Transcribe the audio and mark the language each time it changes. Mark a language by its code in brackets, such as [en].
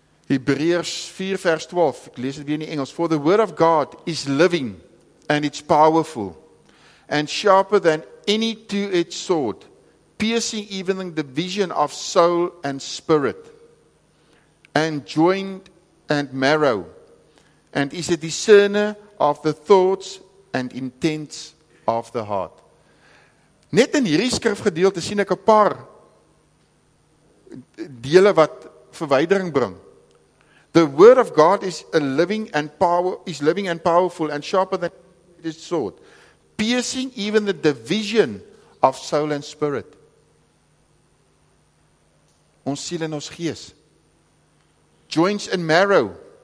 [af] Hebreërs 4 vers 12, ek lees het weer in die Engels. [en] For the word of God is living and it's powerful and sharper than any two-edged sword, piercing even the division of soul and spirit and joint and marrow and is a discerner of the thoughts and intents of the heart. [af] Net in hierdie skrifgedeelte sien ek 'n paar dele wat verwydering bring. [en] The word of God is a living and power is living and powerful and sharper than this sword, piercing even the division of soul and spirit. [af] Ons siel en ons gees. [en] Joints and marrow.